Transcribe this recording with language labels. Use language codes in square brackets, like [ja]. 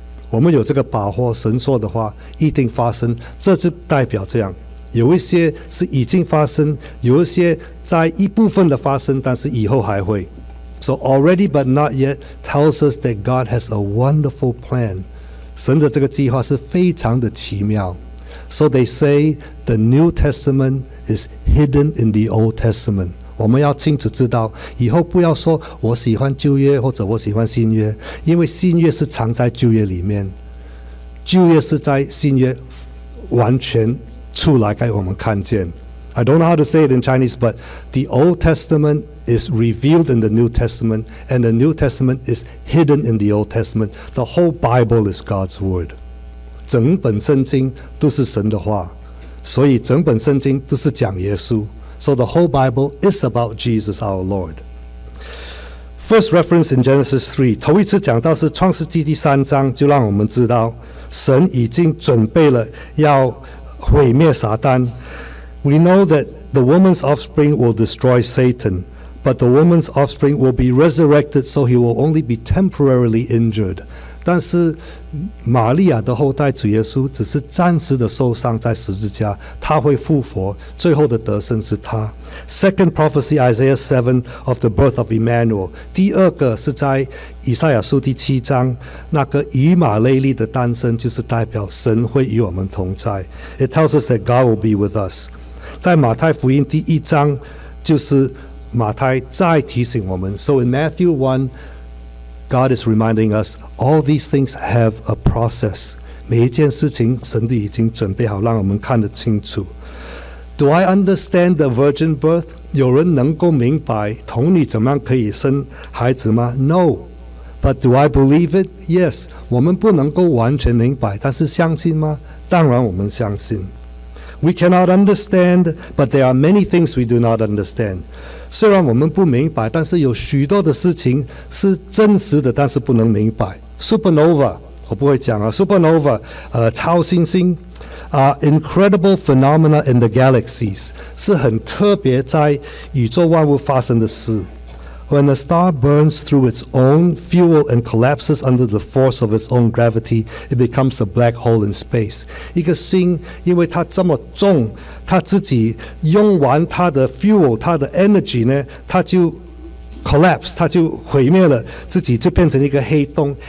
[zh] 我们有这个把握，神说的话一定发生，这就代表这样。有一些是已经发生，有一些在一部分的发生，但是以后还会。 [en] So already but not yet tells us that God has a wonderful plan. [zh] 神的这个计划是非常的奇妙。 [en] So they say the New Testament is hidden in the Old Testament. [zh] 我们要清楚知道，以后不要说我喜欢旧约或者我喜欢新约，因为新约是藏在旧约里面，旧约是在新约完全出来给我们看见。 [en] I don't know how to say it in Chinese, but the Old Testament is revealed in the New Testament, and the New Testament is hidden in the Old Testament. The whole Bible is God's Word. [zh] 整本圣经都是神的话，所以整本圣经都是讲耶稣。 [en] So the whole Bible is about Jesus our Lord. First reference in Genesis 3, [zh] 头一次讲到是创世纪第三章，就让我们知道神已经准备了要毁灭撒旦。 [en] We know that the woman's offspring will destroy Satan, but the woman's offspring will be resurrected, so he will only be temporarily injured. [zh] 但是玛利亚的后代主耶稣只是暂时的受伤在十字架，他会复活，最后的得胜是他。 [en] Second prophecy Isaiah 7 of the birth of Emmanuel. [zh] 第二个是在以赛亚书第七章，那个以马内利的诞生就是代表神会与我们同在。 [en] It tells us that God will be with us. [zh] 在马太福音第一章，就是马太再提醒我们。 [en] So in Matthew 1,God is reminding us all these things have a process. [zh] 每一件事情神都已经准备好让我们看得清楚。 [en] Do I understand the virgin birth? 有人能够明白童女怎么样可以生孩子吗？ No. But do I believe it? Yes. [zh] 我们不能够完全明白，但是相信吗？当然我们相信。 [en] We cannot understand, but there are many things we do not understand. [zh] 虽然我们不明白，但是有许多的事情是真实的，但是不能明白。 Supernova， 我不会讲啊。Supernova， 超新星 [en] ，incredible phenomena in the galaxies， [zh] 是很特别在宇宙万物发生的事。 [en] When a star burns through its own fuel and collapses under the force of its own gravity, it becomes a black hole in space. [zh] 一个星因为它这么重，它自己用完它的 fuel， 它的 energy 呢，它就 collapse， 它就毁灭了，自己就变成一个黑洞。